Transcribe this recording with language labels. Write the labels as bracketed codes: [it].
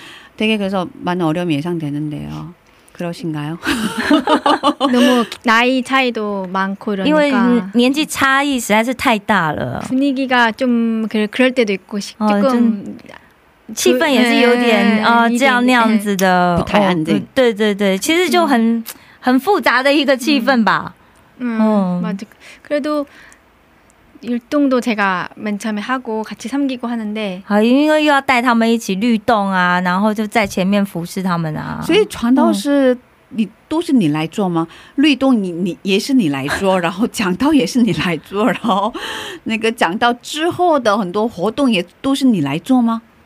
[zh] 可以想象到蛮多的困难，是吧？我没有办法想象混龄的儿童主日学，而且从这么小到高中生，因为只有一个英文部，所以他们都就全部要在一起，这样可能是。 [ko] 되게그래서많은어려움이예상되는데요 그러신가요? 너무 나이 차이도 많고 그러니까 [zh] 年纪 [ko] 차이 [zh] 实在是太大了 [ko] 분위기가 좀 그럴 때도 있고 조금 [zh] 气氛也是有点这样那样子的，不太安静。对对对，其实就很复杂的一个气氛吧。嗯， [ko] 맞아. 그래도 율동도 제가 맨 처음에 하고 같이 섬기고 하는데. [zh] 아, 因为又要带他们一起律动啊，然后就在前面服侍他们啊。所以传道是你都是你来做吗？律动你也是你来做，然后讲道也是你来做，然后那个讲道之后的很多活动也都是你来做吗？